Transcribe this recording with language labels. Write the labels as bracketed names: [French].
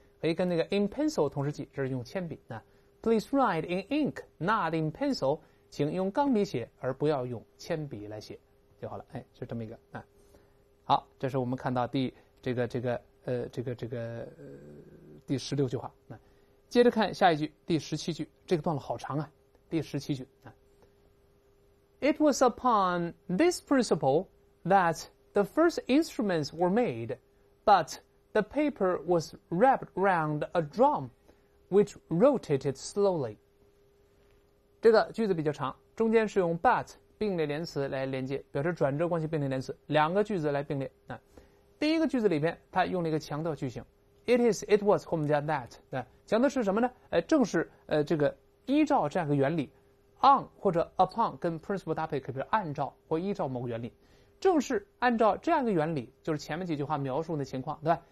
[Chinese] 可以跟那个 in pencil 同时记，这是用铅笔。那 [English] please write in ink, not in pencil。 [Chinese] 请用钢笔写，而不要用铅笔来写，就好了。哎，就这么一个。好，这是我们看到第第十六句话。接着看下一句，第十七句，这个段落好长啊。第十七句 [English] It was upon this principle that the first instruments were made, but the paper was wrapped round a drum, which rotated slowly. [Chinese] 这个句子比较长，中间是用 but 并列连词来连接，表示转折关系并列连词，两个句子来并列。第一个句子里面它用了一个强调句型 [English] it is, it was [Chinese] 和我们加 that， 强调是什么呢？正是这个依照这样一个原理 on 或者 upon 跟 principle 搭配，可比如按照或依照某个原理，正是按照这样一个原理，就是前面几句话描述的情况，对吧？